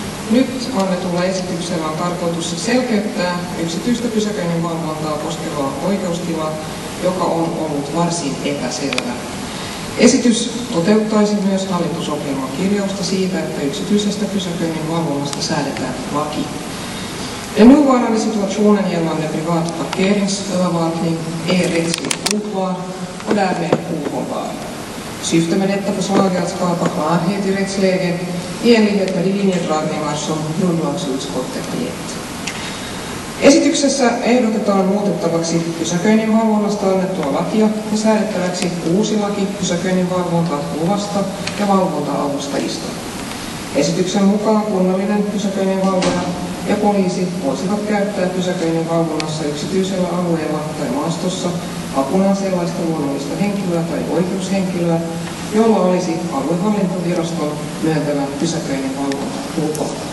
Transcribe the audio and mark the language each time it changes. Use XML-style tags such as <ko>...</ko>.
<fi>Nyt annetulla esityksellä on tarkoitus selkeyttää yksityistä pysäköinnin valvontaa koskevaa oikeustilaa, joka on ollut varsin epäselvä. Esitys toteuttaisi myös hallitusohjelman kirjausta siitä, että yksityisestä pysäköinnin valvonnasta säädetään laki.</fi> <sv>Den nuvarande situationen gällande privat parkeringsövervakning är rättsligt oklar och därmed ohållbar. Syftet med detta förslag är att skapa klarhet i rättsläget i enlighet med de linjedragningar som grundlagsutskottet gett.</sv> <fi>Esityksessä ehdotetaan muutettavaksi pysäköinnin valvonnasta annettua lakia ja säädettäväksi uusi laki pysäköinnin valvontaa luvasta ja valvonta-avustajista. Esityksen mukaan kunnallinen pysäköinnin valvoja ja poliisi voisivat käyttää pysäköinnin valvonnassa yksityisellä alueella tai maastossa apunaan sellaista luonnollista henkilöä tai oikeushenkilöä, jolla olisi aluehallintoviraston myöntävä pysäköinnin valvontalupa.</fi>